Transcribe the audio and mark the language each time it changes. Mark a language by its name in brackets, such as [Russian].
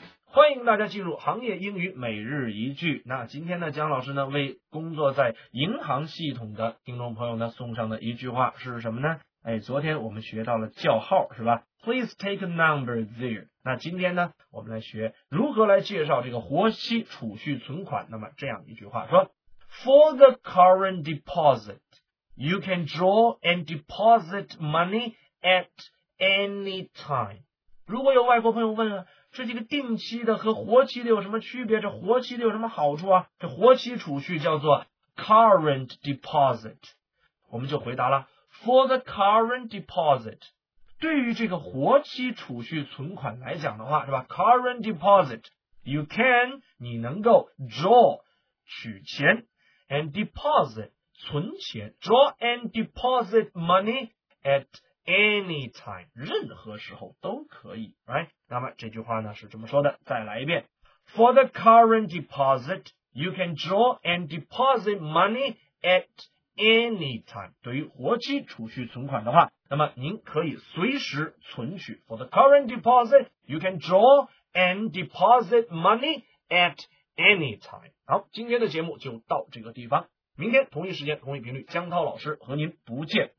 [Chinese] 欢迎大家进入行业英语每日一句。那今天呢，姜老师呢为工作在银行系统的听众朋友呢送上的一句话是什么呢？哎，昨天我们学到了叫号是吧 ？ [English] Please take a number there。 [Chinese] 那今天呢，我们来学如何来介绍这个活期储蓄存款。那么这样一句话说 [English] ：For the current deposit, you can draw and deposit money at any time。 [Chinese] 如果有外国朋友问啊。是这个定期的和活期的有什么区别？这活期的有什么好处啊？这活期储蓄叫做 current deposit， 我们就回答了 [English] for the current deposit。 [Chinese] 对于这个活期储蓄存款来讲的话，是吧 ？current deposit， you can 你能够 draw 取钱 ，and deposit 存钱 ， [English] draw and deposit money at any time [Chinese] 任何时候都可以 ，right？那么这句话呢是这么说的，再来一遍 [English] ：For the current deposit, you can draw and deposit money at any time. [Chinese] 对于活期储蓄存款的话，那么您可以随时存取。 [English] For the current deposit, you can draw and deposit money at any time. [Chinese] 好，今天的节目就到这个地方，明天同一时间同一频率，江涛老师和您不见不散。